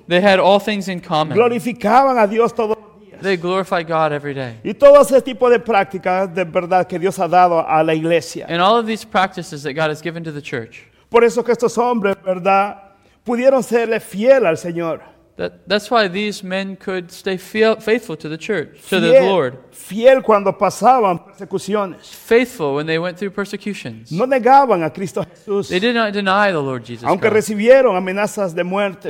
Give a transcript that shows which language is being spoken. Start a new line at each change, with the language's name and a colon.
English: They had all things in common.
Spanish: Glorificaban a Dios todos.
English: They glorify God every day.
Spanish: Y todo ese tipo de prácticas de verdad que Dios ha dado a la iglesia.
English: And all of these practices that God has given to the church.
Spanish: Por eso que estos hombres, verdad, pudieron serle fiel al Señor.
English: That's why these men could stay faithful to the church, to the Lord.
Spanish: Fiel cuando pasaban persecuciones.
English: Faithful when they went through persecutions.
Spanish: No negaban a Cristo Jesús.
English: They did not deny the Lord Jesus.
Spanish: Aunque recibieron amenazas de muerte.